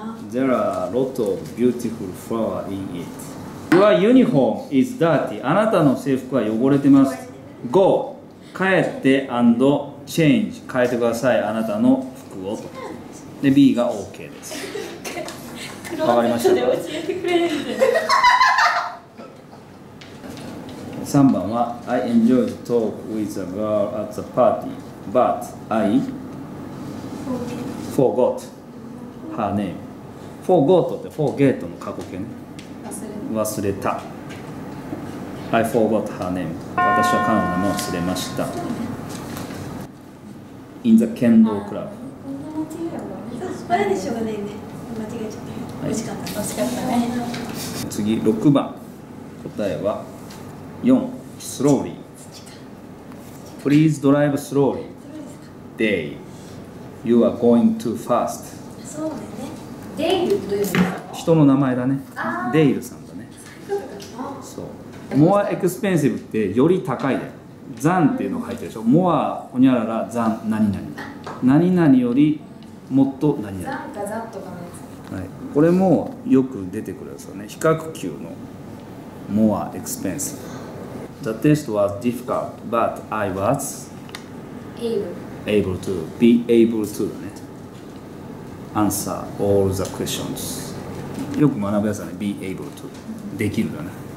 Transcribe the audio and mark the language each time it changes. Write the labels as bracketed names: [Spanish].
[English] There are lots of beautiful flowers in it。 Your uniform is dirty。 [Japanese] あなたの制服は汚れてます。 [English] Go [Japanese] 帰って [English] and change。 [Japanese] 変えてください、あなたの服をと。で B が OK です。変わりましたか。 3番は [English] I enjoy the talk with a girl at the party but I forgot her name。 [Japanese] forgot って forget の過去形、忘れた。 [English] I forgot her name。 [Japanese] 私は彼女も忘れました。 [English] in the Kendall club。 [Japanese] これでしょうがないね、間違えちゃった。惜しかった、惜しかったね。次6番、答えは4、 [English] スローリープリーズドライブスローリーデイ、ユアゴイントゥファースト。 [Japanese] そうだね、デイルってどういうの。人の名前だね、デイルさんだね。そう、 [English] モアエクスペンシブ [Japanese] ってより高いだよ。ザンっていうのが入ってるでしょ。モアホニャララザン何々、何々よりもっと何々。ザンかザンとかのやつ、これもよく出てくるんですよね。比較級の [English] モアエクスペンシブ。 The test was difficult, but I was able to be able to answer all the questions。 [Japanese] よく学ぶやつだね、 [English] be able to、 [Japanese] できるだね。